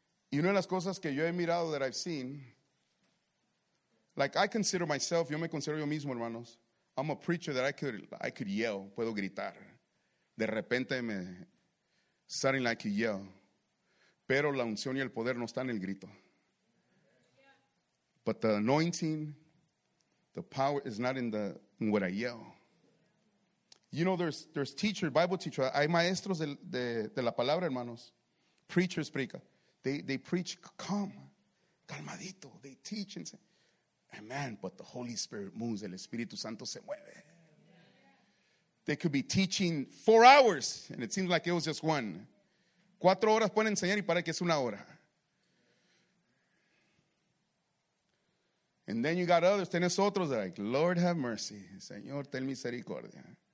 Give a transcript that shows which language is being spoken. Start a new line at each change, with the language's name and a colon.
Spanish: Y una de las cosas que yo he mirado,
English: that I've seen, like I consider myself,
Spanish: yo me considero yo mismo, hermanos,
English: I'm a preacher that I could yell,
Spanish: puedo gritar. De repente me
English: suddenly I could yell.
Spanish: Pero la unción y el poder no están en el grito.
English: But the anointing, the power is not in what I yell. You know, there's teachers, Bible teachers,
Spanish: hay maestros de la palabra, hermanos.
English: Preachers predica. They preach calm, calmadito. They teach and say, amen, but the Holy Spirit moves.
Spanish: El Espíritu Santo se mueve.
English: They could be teaching 4 hours, and it seems like it was just one.
Spanish: 4 horas pueden enseñar y parece que es una hora.
English: And then you got others.
Spanish: Tienes otros,
English: they're like, Lord have mercy.
Spanish: Señor, ten misericordia.